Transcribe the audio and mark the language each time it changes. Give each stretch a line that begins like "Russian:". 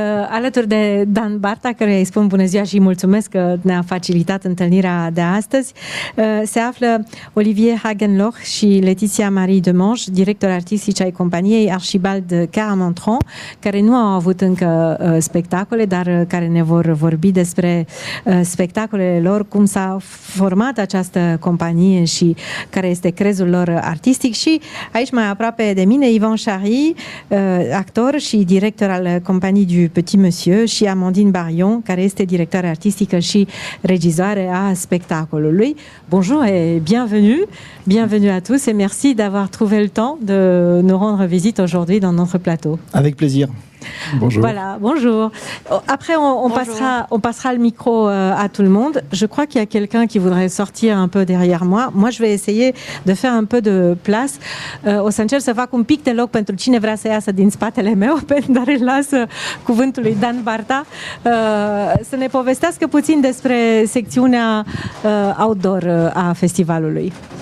Romanian: Alături de Dan Barta, căruia îi spun bună ziua și mulțumesc că ne-a facilitat întâlnirea de astăzi, se află Olivier Hagenloch și Laetitia Marie Demange, directori artistici ai companiei Archibald Caramontron, care nu au avut încă spectacole, dar care ne vor vorbi despre spectacolele lor, cum s-a format această companie și care este crezul lor artistic. Și aici, mai aproape de mine, Yvan Charry, actor și director al companiei du Petit Monsieur, și Amandine Barion, care este directoare artistică și regizoare a spectacolului.
French: Bonjour et bienvenue. Bienvenue à tous et merci d'avoir trouvé le temps de nous rendre visite aujourd'hui dans notre plateau. Avec plaisir. Bonjour. Voilà, bonjour. Après, on passera le micro à tout le monde. Je crois qu'il y a quelqu'un qui voudrait sortir un peu derrière moi. Moi, je vais essayer de faire un peu de place.
Romanian: O să încerc să fac un pic de loc pentru cine vrea să iasă din spatele meu, dar îl las cuvântul lui Dan Barta să ne povestească puțin despre secțiunea outdoor a festivalului.